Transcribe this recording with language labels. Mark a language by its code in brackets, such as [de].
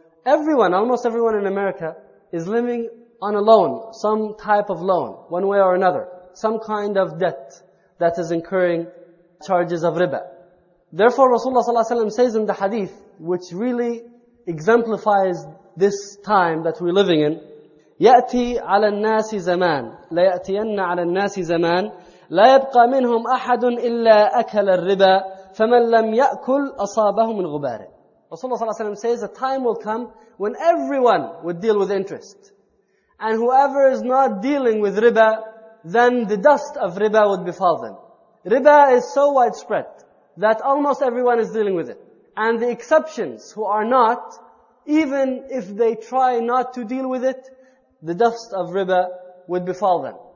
[en] Everyone, almost everyone in America is living on a loan, some type of loan, one way or another. Some kind of debt that is incurring charges of riba. Therefore, Rasulullah sallallahu alayhi wa sallam says in the hadith, which really exemplifies this time that we're living in, [ar] يأتي على الناس زمان لا يأتين على الناس زمان لا يبقى منهم أحد إلا أكل الربا فمن لم يأكل أصابه من غبار. [en] Rasulullah sallallahu alayhi wa sallam says a time will come when everyone would deal with interest, and whoever is not dealing with riba, then the dust of riba would befall them. Riba is so widespread that almost everyone is dealing with it, and the exceptions who are not, even if they try not to deal with it, the dust of riba would befall them.